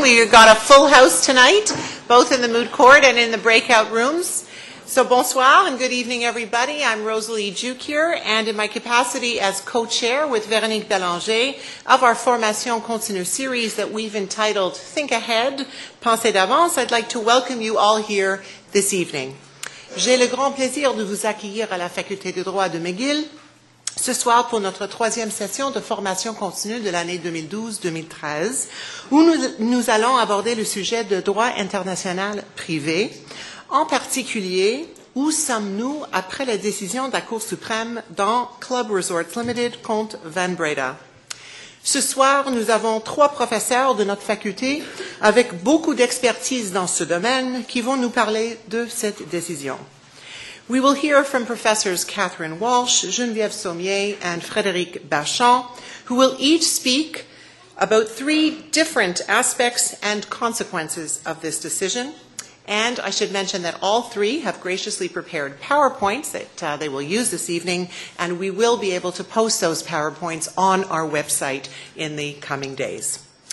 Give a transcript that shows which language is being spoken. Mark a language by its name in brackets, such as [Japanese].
[English] We've got a full house tonight, both in the moot court and in the breakout rooms. So bonsoir and good evening, everybody. I'm Rosalie Jukier, and in my capacity as co-chair with Véronique Bélanger of our Formation Continue series that we've entitled Think Ahead, Pensez d'Avance, I'd like to welcome you all here this evening. [French] J'ai le grand plaisir de vous accueillir à la Faculté de droit de McGill ce soir pour notre troisième session de formation continue de l'année 2012-2013, où nous allons aborder le sujet de droit international privé. En particulier, où sommes-nous après la décision de la Cour suprême dans Club Resorts Limited contre Van Breda? Ce soir, nous avons trois professeurs de notre faculté avec beaucoup d'expertise dans ce domaine qui vont nous parler de cette décision. [English] We will hear from professors Catherine Walsh, Geneviève Sommier, and Frédéric Bachand, who will each speak about three different aspects and consequences of this decision. And I should mention that all three have graciously prepared PowerPoints that they will use this evening, and we will be able to post those PowerPoints on our website in the coming days.